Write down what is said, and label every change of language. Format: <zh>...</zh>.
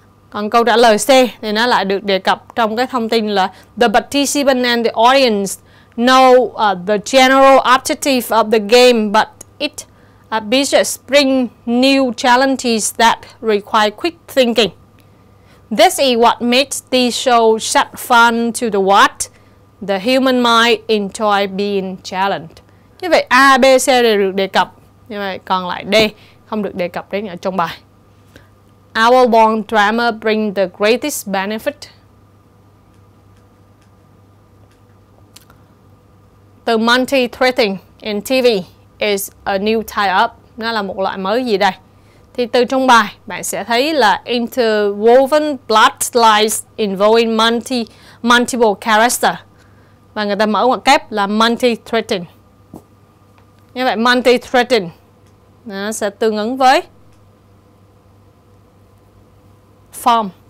<vi>Còn câu trả lời C thì nó lại được đề cập trong cái thông tin là</vi> <en>the participant and the audience know the general objective of the game, but it ambitious bring new challenges that require quick thinking. This is what makes this show such fun to the watch. The human mind enjoy being challenged.</en> <vi>Như vậy A, B, C đều được đề cập, như vậy còn lại D không được đề cập đến ở trong bài.</vi> <en>Our long drama bring the greatest benefit. The multi-threading in TV is a new tie-up.</en> <vi>Nó là một loại mới gì đây? Thì từ trong bài bạn sẽ thấy là</vi> <en>interwoven plot lines involving multiple characters.</en> <vi>Và người ta mở ngoặc kép là multi-threading. Như vậy multi-threading nó sẽ tương ứng với form.</vi>